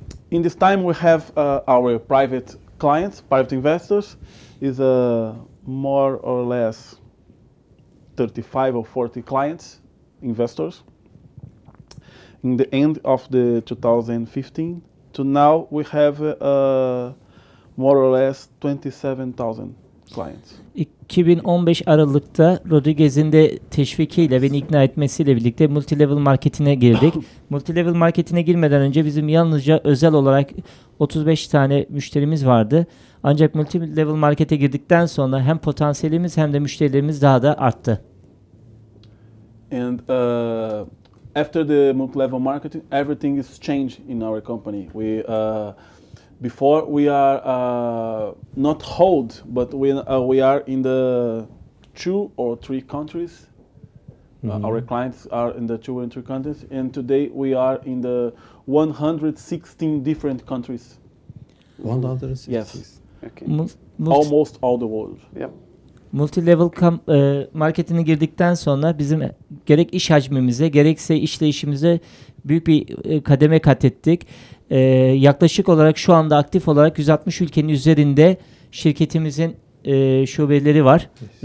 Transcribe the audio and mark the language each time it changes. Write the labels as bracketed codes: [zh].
[en] In this time, we have our private clients, private investors, is a more or less 35 or 40 clients, investors. In the end of the 2015 to now, we have more or less 27,000 clients. [tr] 2015 Aralık'ta Rodriguez'in de teşvikiyle beni ikna etmesiyle birlikte multi-level marketine girdik. Multi-level marketine girmeden önce bizim yalnızca özel olarak 35 tane müşterimiz vardı. Ancak multi-level markete girdikten sonra hem potansiyelimiz hem de müşterilerimiz daha da arttı. [en] And after the multi-level marketing, everything is changed in our company. We before we are not hold, but we are in the two or three countries. Mm-hmm. Our clients are in the two or three countries, and today we are in the 116 different countries. 116. Yes. Okay. Almost all the world. Yep. [tr] Multi-level marketine girdikten sonra bizim gerek iş hacmimize gerekse işleyişimize büyük bir kademe kat ettik. Yaklaşık olarak şu anda aktif olarak 160 ülkenin üzerinde şirketimizin şubeleri var. Evet.